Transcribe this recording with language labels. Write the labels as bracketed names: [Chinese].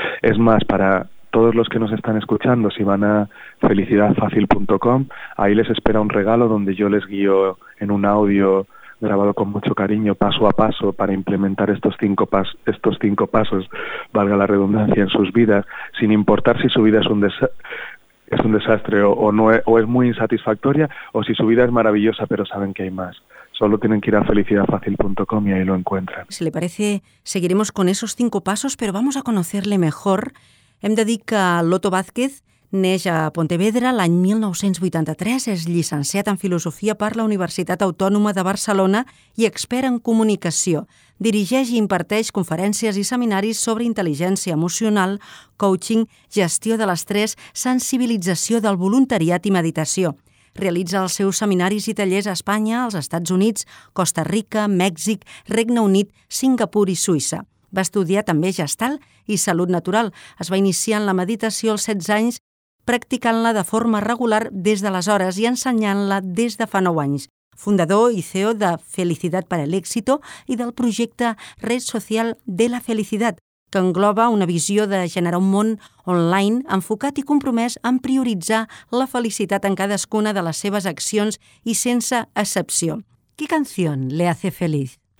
[Spanish] Es más, para todos los que nos están escuchando, si van a felicidadfacil.com, ahí les espera un regalo donde yo les guío en un audio grabado con mucho cariño, paso a paso, para implementar estos cinco pasos, valga la redundancia, en sus vidas, sin importar si su vida es un desastre o no es muy insatisfactoria, o si su vida es maravillosa, pero saben que hay más. Solo tienen que ir a felicidadfacil.com y ahí lo encuentran. Si le parece, seguiremos con esos 5 pasos, pero vamos a conocerle mejor. [Catalan] Em dedica a Loto Vázquez, neix a Pontevedra l'any 1983, és llicenciat en Filosofia per la Universitat Autònoma de Barcelona i expert en comunicació. Dirigeix i imparteix conferències i seminaris sobre intel·ligència emocional, coaching, gestió de l'estrès, sensibilització del voluntariat i meditació. Realitza els seus seminaris i tallers a Espanya, als Estats Units, Costa Rica, Mèxic, Regne Unit, Singapur i Suïssa. Va estudiar també gestal i salut natural. Es va iniciar en la meditació als 16 anys, practicant-la de forma regular des d'aleshores i ensenyant-la des de fa 9 anys. Fundador i CEO de Felicitat per a l'Èxito i del projecte Red Social de la Felicitat, que engloba una visió de generar un món online enfocat i compromès en prioritzar la felicitat en cadascuna de les seves accions i sense excepció. [Spanish] ¿Qué canción le hace feliz?